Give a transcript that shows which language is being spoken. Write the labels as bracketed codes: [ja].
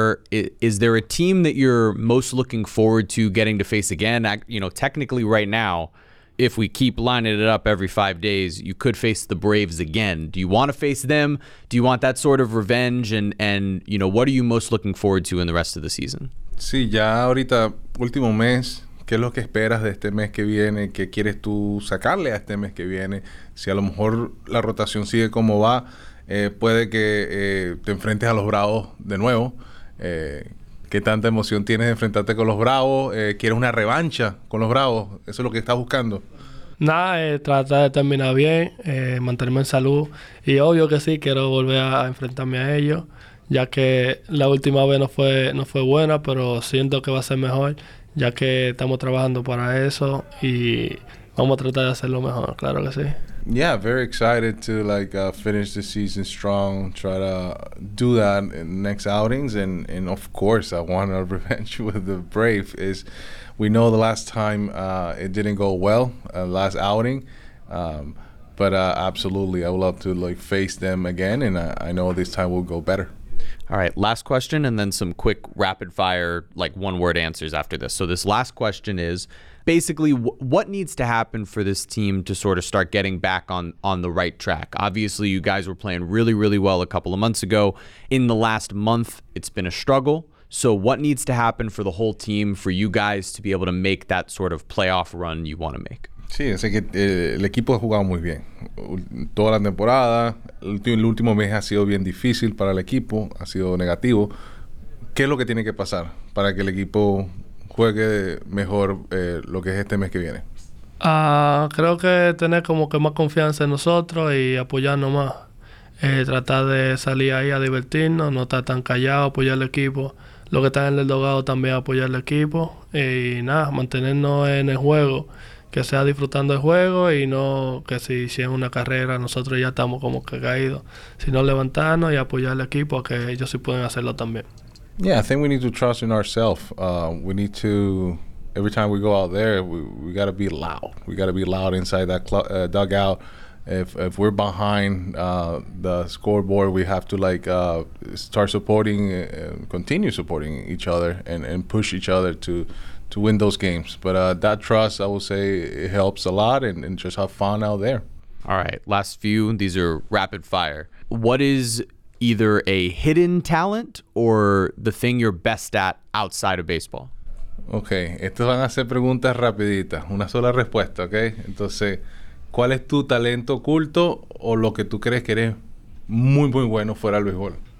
[en] Is there a team that you're most looking forward to getting to face again? You know, technically right now, if we keep lining it up every 5 days, you could face the Braves again. Do you want to face them? Do you want that sort of revenge? And you know, what are you most looking forward to in the rest of the season? [es] Sí, ya ahorita, último mes, ¿qué es lo que esperas de este mes que viene? ¿Qué quieres tú sacarle a este mes que viene? Si a lo mejor la rotación sigue como va, puede que te enfrentes a los Bravos de nuevo. ¿Qué tanta emoción tienes de enfrentarte con los Bravos? ¿Quieres una revancha con los Bravos? ¿Eso es lo que estás buscando? Nada, tratar de terminar bien, mantenerme en salud. Y obvio que sí, quiero volver a enfrentarme a ellos, ya que la última vez no fue buena, pero siento que va a ser mejor, ya que estamos trabajando para eso y vamos a tratar de hacerlo mejor, claro que sí. [en] Yeah, very excited to finish the season strong, try to do that in next outings, and of course I want a revenge with the Braves. Is we know the last time it didn't go well, last outing, but absolutely I would love to face them again, and I know this time will go better. All right, last question, and then some quick rapid fire one word answers after this. So this last question is, basically, what needs to happen for this team to sort of start getting back on the right track? Obviously, you guys were playing really, really well a couple of months ago. In the last month, it's been a struggle. So what needs to happen for the whole team for you guys to be able to make that sort of playoff run you want to make? [es] Sí, sé que el equipo ha jugado muy bien toda la temporada. El último mes ha sido bien difícil para el equipo, ha sido negativo. ¿Qué es lo que tiene que pasar para que el equipo juegue mejor lo que es este mes que viene? Creo que tener como que más confianza en nosotros y apoyarnos más. Tratar de salir ahí a divertirnos, no estar tan callado, apoyar al equipo. Los que están en el dogado también apoyar al equipo. Y nada, mantenernos en el juego. Que sea disfrutando el juego y no que si es una carrera nosotros ya estamos como que caídos. Sino levantarnos y apoyar al equipo a que ellos sí pueden hacerlo también. [en] Yeah, I think we need to trust in ourselves. We need to, every time we go out there, we got to be loud. We got to be loud inside that dugout. If we're behind the scoreboard, we have to like start supporting, continue supporting each other and push each other to win those games. But that trust, I will say, it helps a lot and just have fun out there. All right, last few. These are rapid fire. What is either a hidden talent or the thing you're best at outside of baseball? [es] Okay, estos van a ser preguntas rapiditas. Una sola respuesta, okay? Entonces, ¿cuál es tu talento oculto o lo que tú crees que eres muy, muy bueno fuera del béisbol?